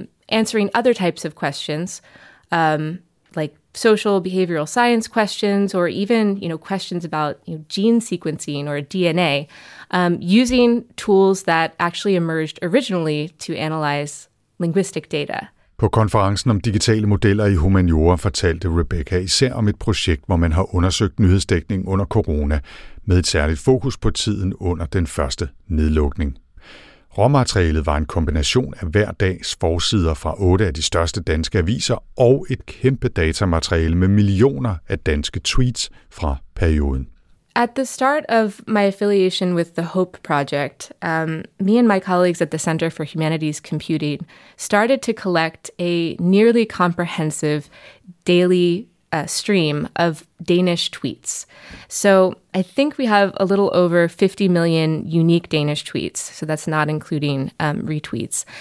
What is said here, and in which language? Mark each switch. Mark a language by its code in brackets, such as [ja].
[en] answering other types of questions, like social behavioral science questions, or even, you know, questions about, you know, gene sequencing or DNA, using tools that actually emerged originally to analyze linguistic data. [da] På konferencen om digitale modeller i humaniora fortalte Rebecca især om et projekt, hvor man har undersøgt nyhedsdækning under corona, med et særligt fokus på tiden under den første nedlukning. Råmaterialet var en kombination af hver dags forsider fra 8 af de største danske aviser og et kæmpe datamateriale med millioner af danske tweets fra perioden. [en] At the start of my affiliation with the HOPE project, me and my colleagues at the Center for Humanities Computing started to collect a nearly comprehensive daily stream of Danish tweets. So I think we have a little over 50 million unique Danish tweets, so that's not including retweets.